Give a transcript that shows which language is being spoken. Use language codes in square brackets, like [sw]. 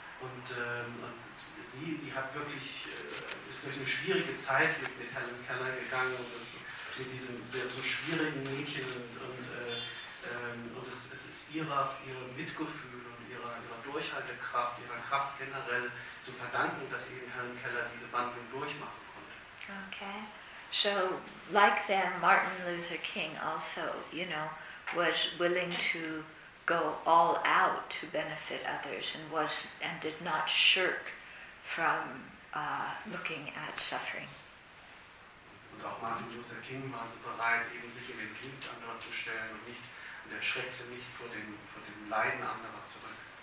[de] Und sie, die hat wirklich, ist durch eine schwierige Zeit mit Helen Keller gegangen, und das, mit diesem sehr so schwierigen Mädchen. Und es ist ihre Mitgefühl und ihre Durchhaltekraft, ihrer Kraft generell zu verdanken, dass sie in Helen Keller diese Wandlung durchmachen konnte. [en] Okay. So, like them, Martin Luther King also, you know, was willing to go all out to benefit others and did not shirk from looking at suffering. [de] Und auch Martin Luther King war so bereit, eben sich in den Dienst anderer zu stellen und er schreckte nicht vor dem Leiden anderer zurück.